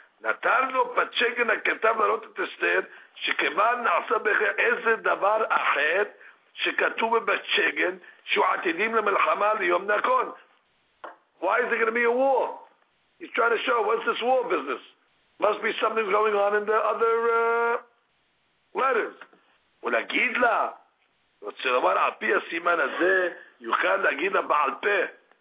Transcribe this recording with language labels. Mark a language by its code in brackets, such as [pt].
[he] נתן לו פצ'גן הכתב לראות את אסתר, שכיוון נעשה בכלל איזה דבר אחר שכתוב בפצ'גן, שהוא עתידים למלחמה ליום נכון. [en] Why is it going to be a war? He's trying to show, what's this war business? Must be something going on in the other letters. [he] ולהגיד לה, רוצה לומר, על פי הסימן הזה, יוכל להגיד לה בעל פה.